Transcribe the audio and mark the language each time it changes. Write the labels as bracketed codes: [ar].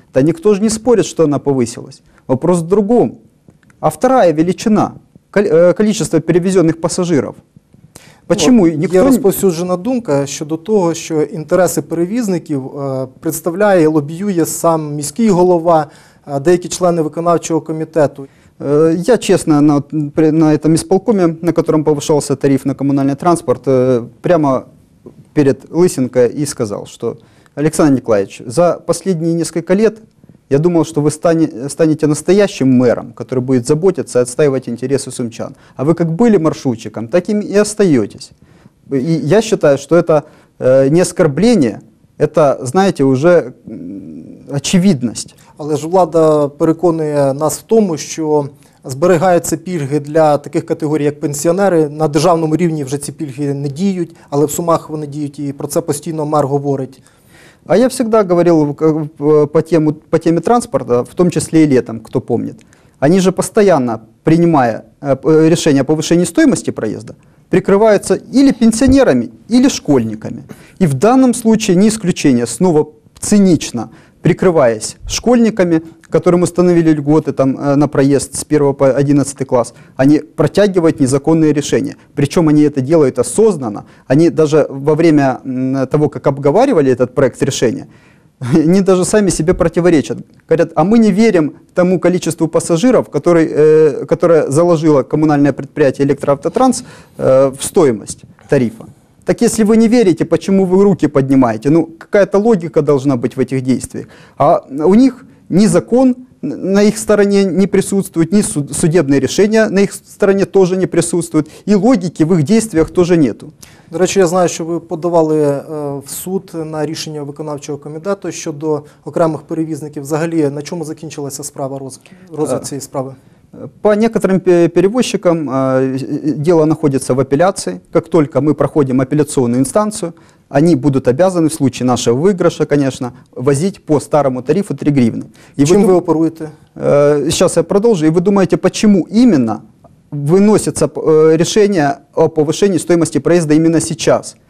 [ru] Да никто же не спорит, что она повысилась. Вопрос в другом. А вторая величина – количество перевезенных пассажиров. Почему? Вот, никто... [uk] Є розповсюджена думка щодо того, що інтереси перевізників представляє і лобіює сам міський голова, деякі члени виконавчого комітету. [ru] Я чесно на этом исполкоме, на котором повышался тариф на комунальный транспорт, прямо перед Лысенко и сказал, что Александр Николаевич, за последние несколько лет я думал, что вы станете настоящим мэром, который будет заботиться и отстаивать интересы сумчан. А вы как были маршрутчиком, так и остаетесь. И я считаю, что это не оскорбление, это, знаете, уже очевидность. [uk] Але ж влада переконує нас в тому, що зберігаються пільги для таких категорій, як пенсіонери. На державному рівні вже ці пільги не діють, але в Сумах вони діють, і про це постійно мэр говорить. [ru] А я всегда говорил по теме транспорта, в том числе и летом, кто помнит. Они же постоянно, принимая решение о повышении стоимости проезда, прикрываются или пенсионерами, или школьниками. И в данном случае не исключение, снова цинично прикрываясь школьниками, которым установили льготы там, на проезд с 1 по 11 класс, они протягивают незаконные решения. Причем они это делают осознанно. Они даже во время того, как обговаривали этот проект решения, они даже сами себе противоречат. Говорят, а мы не верим тому количеству пассажиров, которое заложило коммунальное предприятие «Электроавтотранс» в стоимость тарифа. Так если вы не верите, почему вы руки поднимаете? Ну, какая-то логика должна быть в этих действиях. А у них ни закон, на их стороне не присутствует, ни судебные решения на их стороне тоже не присутствуют, и логики в их действиях тоже нету. [uk] До речі, я знаю, що ви подавали в суд на рішення виконавчого комітету щодо окремих перевізників. Взагалі, на чому закінчилася справа, розгляд цієї справи? [ru] По некоторым перевозчикам дело находится в апелляции. Как только мы проходим апелляционную инстанцию, они будут обязаны в случае нашего выигрыша, конечно, возить по старому тарифу 3 гривны. И чем вы оперуете? Сейчас я продолжу. И вы думаете, почему именно выносится решение о повышении стоимости проезда именно сейчас?